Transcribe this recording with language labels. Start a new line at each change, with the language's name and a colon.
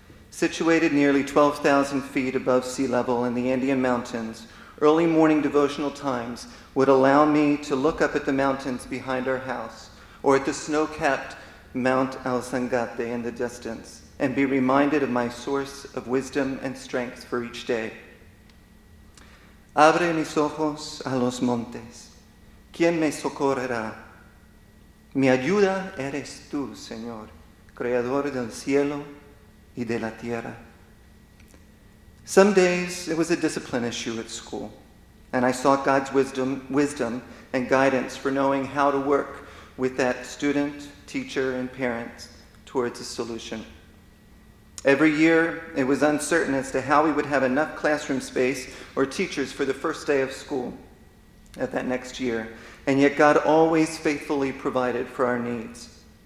English: Situated nearly 12,000 feet above sea level in the Andean Mountains, early morning devotional times would allow me to look up at the mountains behind our house or at the snow-capped Mount Alzangate in the distance and be reminded of my source of wisdom and strength for each day.
Spanish: Abre mis ojos a los montes. ¿Quién me socorrerá? Mi ayuda eres tú, Señor, creador del cielo y de la tierra.
English: Some days it was a discipline issue at school, and I sought God's wisdom and guidance for knowing how to work with that student, teacher, and parent towards a solution. Every year, it was uncertain as to how we would have enough classroom space or teachers for the first day of school at that next year, and yet God always faithfully provided for our needs.